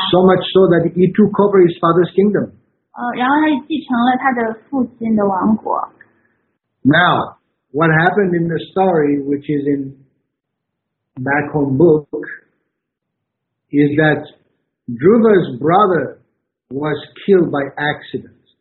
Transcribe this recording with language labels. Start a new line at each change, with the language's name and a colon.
English: So much so that he took over his father's kingdom.
Chinese: 然后他继承了他的父亲的王国。
English: Now, what happened in the story, which is in back home book, is that Dhruva's brother was killed by accident.